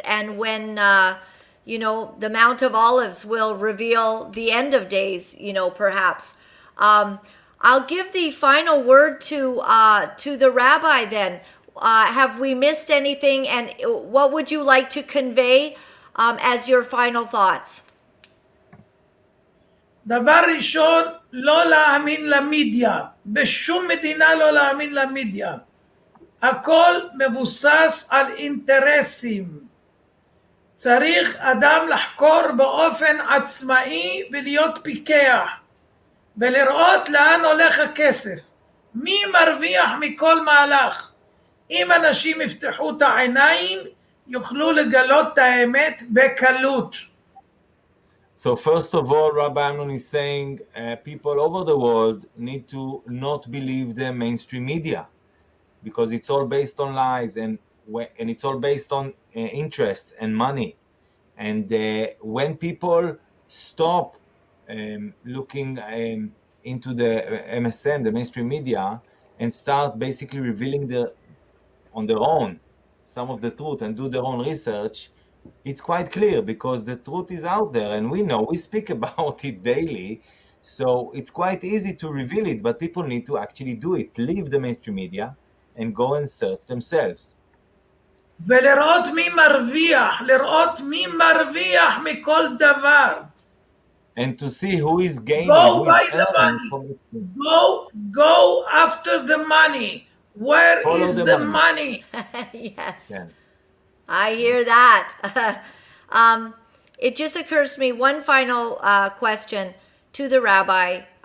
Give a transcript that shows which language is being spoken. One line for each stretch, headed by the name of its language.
English: And when, you know, the Mount of Olives will reveal the end of days, you know, perhaps. I'll give the final word to the rabbi then. Have we missed anything? And what would you like to convey as your final thoughts?
Hebrew: דבר ראשון, לא להאמין למדיה. בשום מדינה לא להאמין למדיה. הכל מבוסס על אינטרסים. צריך אדם לחקור באופן עצמאי ולהיות פיקח. ולראות לאן הולך הכסף. מי מרוויח מכל מהלך? אם אנשים יפתחו את העיניים, יוכלו לגלות את האמת בקלות.
English: So first of all, Rabbi Amnon is saying people over the world need to not believe the mainstream media because it's all based on lies and it's all based on interest and money. And when people stop looking into the MSM, the mainstream media, and start basically revealing on their own some of the truth and do their own research, it's quite clear because the truth is out there and we know, we speak about it daily. So it's quite easy to reveal it, but people need to actually do it. Leave the mainstream media and go and search themselves.
Hebrew: ולראות מי מרוויח, לראות מי מרוויח מכל דבר.
English: And to see who is gaining, go by the money. Go after the money. Where Follow is the money? Yes. Yeah. I hear that. It just occurs to me, one final question to the rabbi.